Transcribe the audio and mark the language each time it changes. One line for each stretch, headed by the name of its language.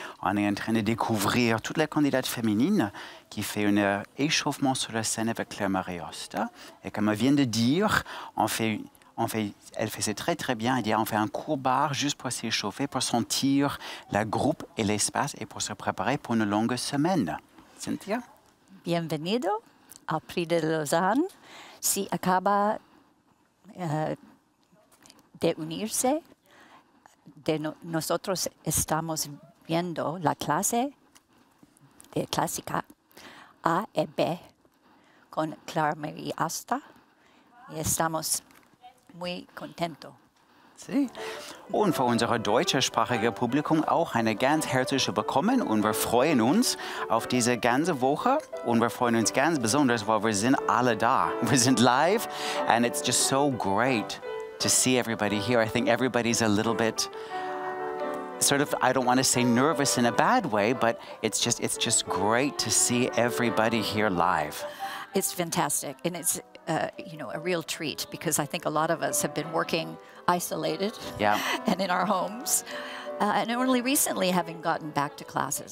French: On est en train de découvrir toute la candidate féminine qui fait un échauffement sur la scène avec Claire-Marie Ost. Et comme elle vient de dire, elle faisait très très bien. Elle dit, on fait un court bar juste pour s'échauffer, pour sentir la groupe et l'espace et pour se préparer pour une longue semaine. Cynthia?
Spanish: Bienvenido au Prix de Lausanne. Si acaba de unirse, nosotros estamos viendo la clase de clásica A y B con Clara Marie Asta y estamos muy contentos. Sí.
German: Und für unser deutschsprachiges Publikum auch eine ganz herzliche Willkommen und wir freuen uns auf diese ganze Woche und wir freuen uns ganz besonders, weil wir sind alle da. Wir sind
English: live and it's just so great to see everybody here. I think everybody's a little bit sort of, I don't want to say nervous in a bad way, but it's just great to see everybody here live. It's fantastic and it's a real treat because I think a lot of us have been working isolated and in our homes and only recently having gotten back to classes.